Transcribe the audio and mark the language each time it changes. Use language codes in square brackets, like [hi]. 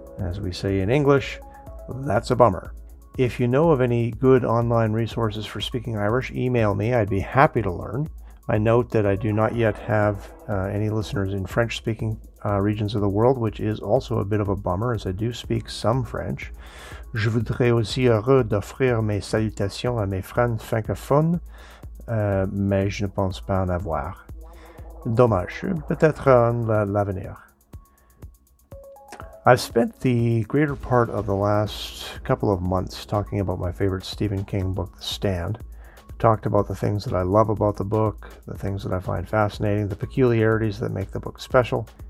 [en] As we say in English, that's a bummer. If you know of any good online resources for speaking Irish, email me. I'd be happy to learn. I note that I do not yet have any listeners in French-speaking regions of the world, which is also a bit of a bummer, as I do speak some French. [fr] Je voudrais aussi heureux d'offrir mes salutations à mes frères francophones, mais je ne pense pas en avoir. Dommage, peut-être en l'avenir. [en] I've spent the greater part of the last couple of months talking about my favorite Stephen King book, The Stand. Talked about the things that I love about the book, the things that I find fascinating, the peculiarities that make the book special.